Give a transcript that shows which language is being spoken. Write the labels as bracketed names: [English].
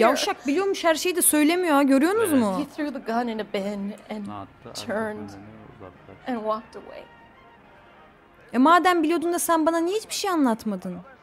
[Turkish] Yavşak biliyormuş her şeyi de söylemiyor ha, görüyorsunuz mu? [English] He threw the gun in a bin and turned and walked away. [Turkish] E madem biliyordun da sen bana niye hiçbir şey anlatmadın?